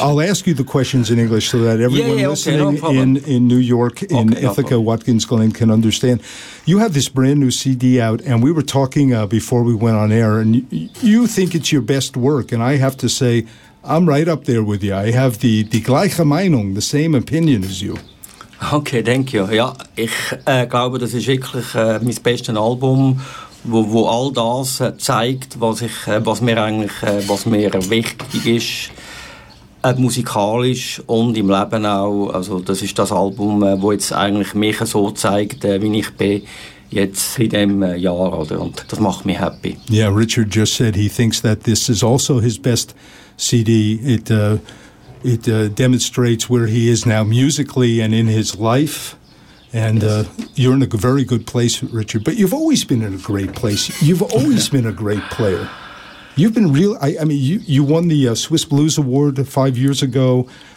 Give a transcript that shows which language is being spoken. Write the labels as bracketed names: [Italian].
[English] I'll ask you the questions in English so that everyone listening in New York, in Ithaca, Watkins Glen can understand. You have this brand new CD out, and we were talking before we went on air, and you think it's your best work, and I have to say, I'm right up there with you. I have the gleiche Meinung, the same opinion as you. Okay, thank you. [German] Ja, ich glaube, das ist wirklich mein bestes Album, wo all das zeigt, was mir wichtig ist, musikalisch und im Leben auch. Also das ist das Album, wo jetzt eigentlich mich so zeigt, wie ich bin jetzt in dem Jahr, oder? Und das macht mich happy. [English] Yeah, Richard just said he thinks that this is also his best CD. It demonstrates where he is now musically and in his life. And you're in a very good place, Richard. But you've always been in a great place. You've always been a great player. You've been real. You won the Swiss Blues Award 5 years ago.